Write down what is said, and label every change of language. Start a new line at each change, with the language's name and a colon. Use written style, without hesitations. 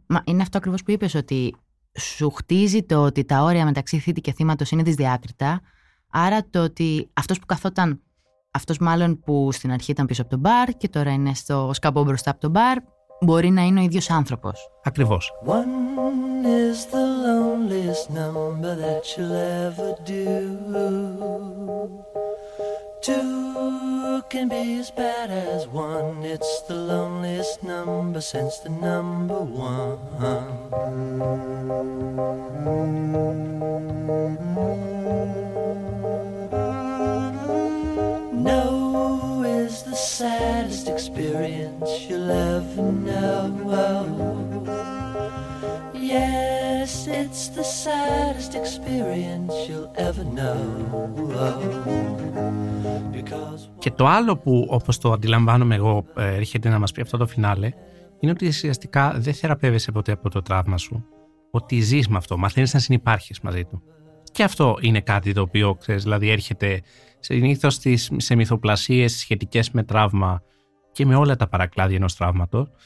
Greek: Μα είναι αυτό ακριβώς που είπες, ότι σου χτίζει το ότι τα όρια μεταξύ θήτη και θύματος είναι δυσδιάκριτα. Άρα το ότι αυτός που καθόταν, αυτός μάλλον που στην αρχή ήταν πίσω από τον μπαρ και τώρα είναι στο σκαμπό μπροστά από τον μπαρ, μπορεί να είναι ο ίδιος άνθρωπος. Ακριβώς.
English: One is the loneliest number that you'll ever do. Two can be as bad as one. It's the loneliest number since the number one. No is the saddest experience you'll ever know. Yes, it's the saddest experience you'll ever know.
Greek: Και το άλλο που, όπως το αντιλαμβάνομαι εγώ, έρχεται να μας πει αυτό το φινάλε, είναι ότι ουσιαστικά δεν θεραπεύεσαι ποτέ από το τραύμα σου, ότι ζεις με αυτό, μαθαίνεις να συνυπάρχεις μαζί του. Και αυτό είναι κάτι το οποίο, ξέρεις, δηλαδή έρχεται συνήθως σε μυθοπλασίες σχετικές με τραύμα και με όλα τα παρακλάδια ενός τραύματος.